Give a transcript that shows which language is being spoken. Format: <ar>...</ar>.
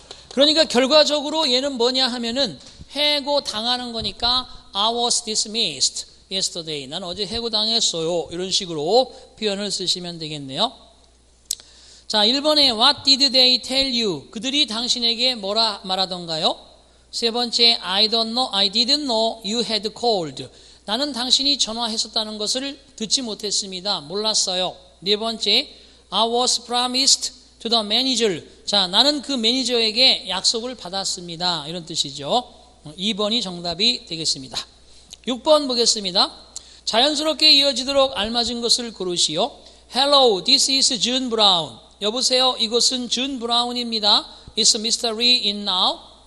<ko>그러니까 결과적으로 얘는 뭐냐 하면은 해고당하는 거니까</ko> <en>I was dismissed yesterday.</en> <ko>난 어제 해고당했어요. 이런 식으로 표현을 쓰시면 되겠네요. 자, 1번에</ko> <en>What did they tell you?</en> <ko>그들이 당신에게 뭐라 말하던가요? 세 번째,</ko> <en>I don't know, I didn't know you had called.</en> <ko>나는 당신이 전화했었다는 것을 듣지 못했습니다. 몰랐어요. 네 번째,</ko> <en>I was promised to the manager.</en> <ko>자, 나는 그 매니저에게 약속을 받았습니다. 이런 뜻이죠. 2번이 정답이 되겠습니다. 6번 보겠습니다. 자연스럽게 이어지도록 알맞은 것을 고르시오.</ko> <en>Hello, this is June Brown.</en> <ko>여보세요, 이곳은 June Brown입니다.</ko> <en>Is Mr. Lee in now?</en>